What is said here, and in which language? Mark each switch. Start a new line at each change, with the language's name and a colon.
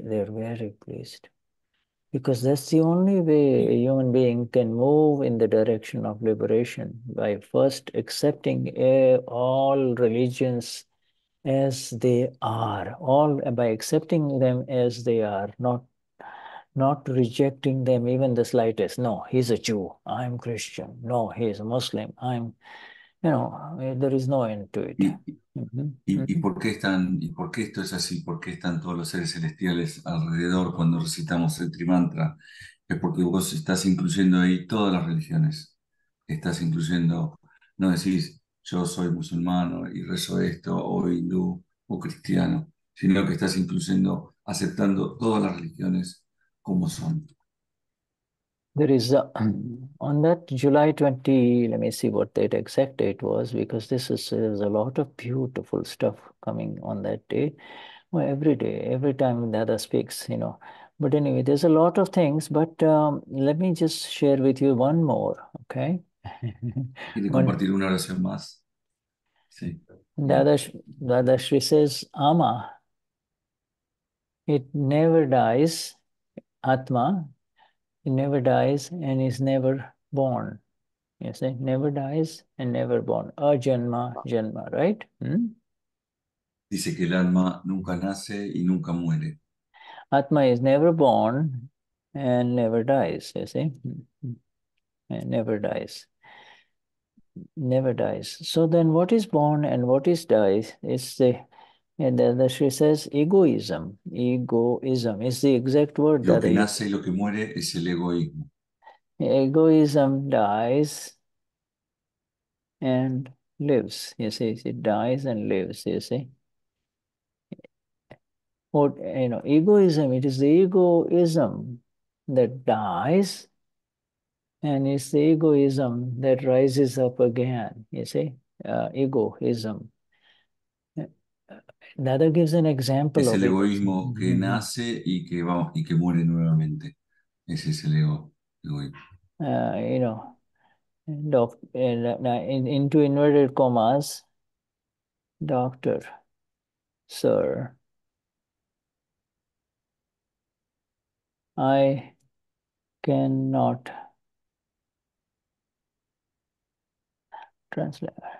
English: They are very pleased. Because that's the only way a human being can move in the direction of liberation, by first accepting all religions as they are, all by accepting them as they are, not not rejecting them even the slightest. No, he's a Jew. I am Christian. No, he is a Muslim. I'm, you know, there is no end to it.
Spanish: ¿Y por qué están, y por qué esto es así? ¿Por qué están todos los seres celestiales alrededor cuando recitamos el trimantra? Es porque vos estás incluyendo ahí todas las religiones. Estás incluyendo, no decís, yo soy musulmano y rezo esto, o hindú, o cristiano, sino que estás incluyendo, aceptando todas las religiones como son.
English: There is a, on that July 20, let me see what date exact date was, because this is there's a lot of beautiful stuff coming on that day. Well, every day, every time Dada speaks, you know. But anyway, there's a lot of things, but let me just share with you one more, okay?
Spanish: ¿Quiere compartir una oración más? Sí.
English: Dadashri says, Ama, it never dies, Atma, it never dies and is never born. You say, never dies and never born. A janma, janma, right? Hmm?
Spanish: Dice que el alma nunca nace y nunca muere.
English: Atma is never born and never dies, you see. And never dies. Never dies. So then what is born and what is dies? Is the, and then the Shri says, egoism. Egoism is the exact word.
Spanish: Lo que nace y lo que muere es el egoísmo.
English: Egoism dies and lives, you see. It dies and lives, you see. What, you know, egoism, it is the egoism that dies, and it's the egoism that rises up again, you see, egoism. Dada gives an example
Spanish: es
English: of
Spanish: el
English: it.
Spanish: Egoísmo que nace y que, vamos, y que muere nuevamente. Ese es el ego, egoísmo.
English: You know, into inverted commas, doctor, sir, I cannot translate.